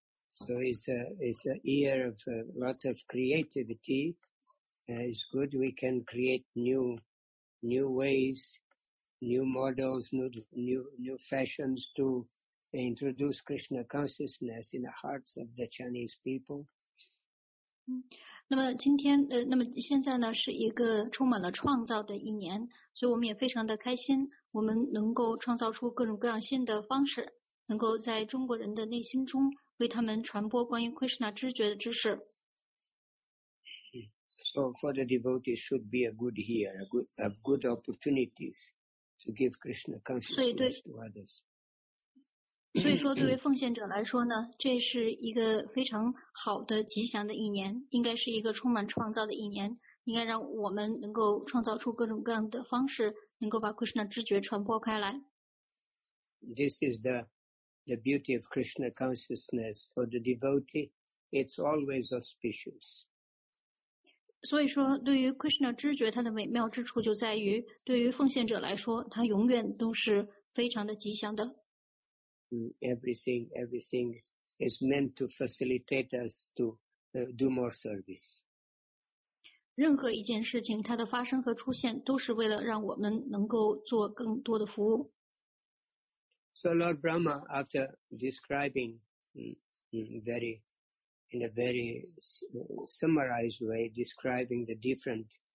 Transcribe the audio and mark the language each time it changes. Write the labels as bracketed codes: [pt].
[en] So it's a year of a lot of creativity. It's good we can create new ways, new models, new fashions to introduce Krishna consciousness in the hearts of the Chinese people. [zh] 那么今天那么现在呢是一个充满了创造的一年，所以我们也非常的开心，我们能够创造出各种各样新的方式，能够在中国人的内心中为他们传播关于 Krishna 知觉的知识。 [en] So for the devotees should be a good year, a good opportunities to give Krishna consciousness to others. [zh] 所以说对于奉献者来说呢，这是一个非常好的吉祥的一年，应该是一个充满创造的一年，应该让我们能够创造出各种各样的方式，能够把 Krishna 知觉传播开来。 [en] This is the beauty of Krishna consciousness for the devotee. It's always auspicious. [zh] 所以说对于 Krishna 知觉它的美妙之处就在于对于奉献者来说它永远都是非常的吉祥的。 [en] Everything is meant to facilitate us to do more service. [zh] 任何一件事情，它的发生和出现都是为了让我们能够做更多的服务。 [en] So Lord Brahma, after describing in a very summarized way, describing the different